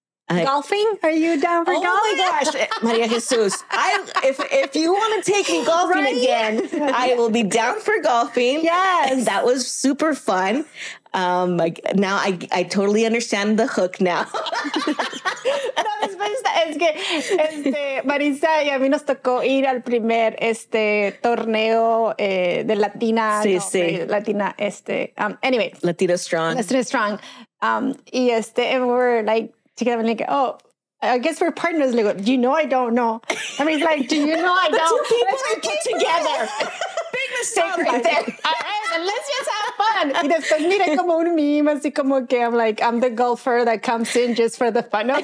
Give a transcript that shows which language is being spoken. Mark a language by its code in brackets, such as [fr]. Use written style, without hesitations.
[en] Golfing? Are you down for golf? Oh my gosh, Maria Jesus. If you want to take me golfing right? again, I will be down for golfing. Yes. That was super fun. Like now I totally understand the hook now. [es] Es que Marisa y a mí nos tocó ir al primer torneo de Latina. Sí, no, sí. De Latina, anyway. [en] Latina Strong. Latina Strong. Y and we were like, together, like, oh, I guess we're partners. Like, you know, I don't know. I mean, like, do you know I don't? The two people are put together. Big mistake right there. Let's just have fun. [es] Y después mira como un meme, así como que [en] I'm like, I'm the golfer that comes in just for the fun of it.